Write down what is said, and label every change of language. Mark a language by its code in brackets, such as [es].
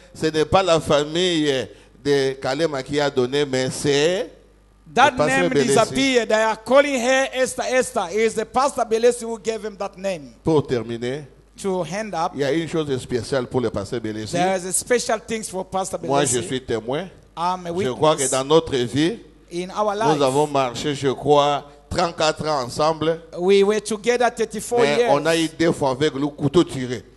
[fr] Ce n'est pas la famille de Kalema qui a donné, mais c'est [en] that name disappeared. They are calling her Esther Esther. It is the Pastor Belesi who gave him that name. [fr] Pour terminer. [en] To hand up. [fr] Il y a une chose spéciale pour le pasteur Bélesi. [en] There is a special things for Pastor Bélesi. [fr] Moi, je suis témoin. [en] I'm a witness. [fr] Je crois que dans notre vie, [en] in our life, [fr] nous avons marché, je crois, 34 ans ensemble. [en] We were together 34 [fr] mais [en] years. [fr] On a eu deux fois avec le couteau tiré.